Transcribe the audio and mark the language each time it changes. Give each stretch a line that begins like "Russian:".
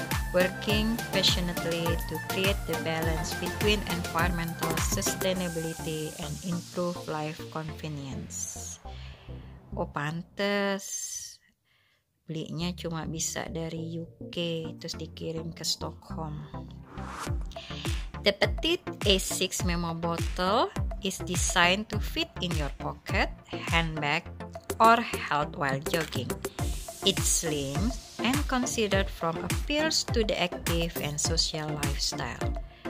English: Working passionately to create the balance between environmental sustainability and improve life convenience.
Indonesian: Oh, pantes belinya cuma bisa dari UK terus dikirim ke Stockholm.
English: The petite A6 memo bottle is designed to fit in your pocket, handbag, or held while jogging. It's slim and considered from appeals to the active and social lifestyle.